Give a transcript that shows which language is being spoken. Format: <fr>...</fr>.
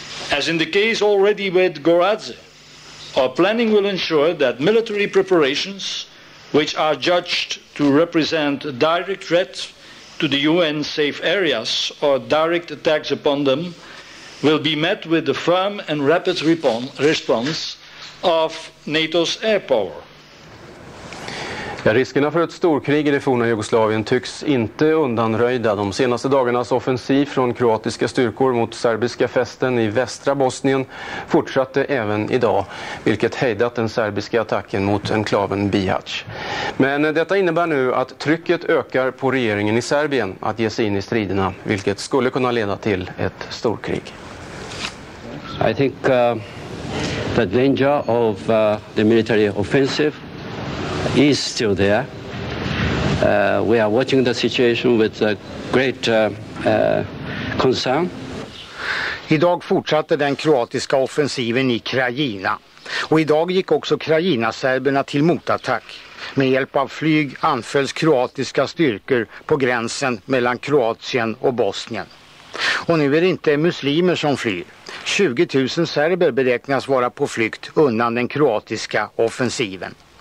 <en>As in the case already with Gorazde, our planning will ensure that military preparations, which are judged to represent a direct threat to the UN safe areas or direct attacks upon them, will be met with the firm and rapid response of NATO's air power.</en> <sv>Ja, riskerna för ett storkrig i det forna Jugoslavien tycks inte undanröjda. De senaste dagarnas offensiv från kroatiska styrkor mot serbiska fästen i västra Bosnien fortsatte även idag, vilket hejdat den serbiska attacken mot enklaven Bihać. Men detta innebär nu att trycket ökar på regeringen i Serbien att ge sig in i striderna, vilket skulle kunna leda till ett storkrig.</sv> <en>I think the danger of the military offensive is still there. We are watching the situation with great concern.</en> <sv>Idag fortsatte den kroatiska offensiven i Krajina. Och idag gick också Krajina-serberna till motattack. Med hjälp av flyg anfölls kroatiska styrkor på gränsen mellan Kroatien och Bosnien. Och nu är det inte muslimer som flyr. 20 000 serber beräknas vara på flykt undan den kroatiska offensiven.</sv>